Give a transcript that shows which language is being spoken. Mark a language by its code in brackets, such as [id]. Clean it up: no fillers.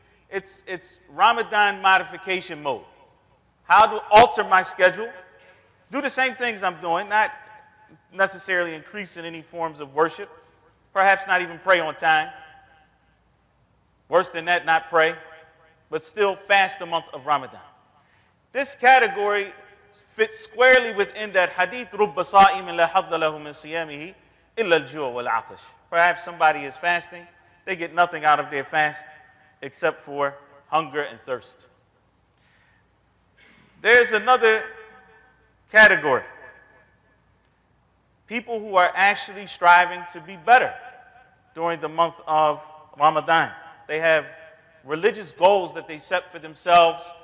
[en] It's Ramadan modification mode. How to alter my schedule. Do the same things I'm doing, not necessarily increase in any forms of worship, perhaps not even pray on time. Worse than that, not pray, but still fast the month of Ramadan. This category fits squarely within that hadith, [ar] رُبَّ صَائِمٍ لَا حَظَّ لَهُ مِنْ صِيَامِهِ إِلَّا الْجُوعَ وَالْعَطَشِ. [en] Perhaps somebody is fasting, they get nothing out of their fast except for hunger and thirst. There's another category. People who are actually striving to be better during the month of Ramadan. They have religious goals that they set for themselves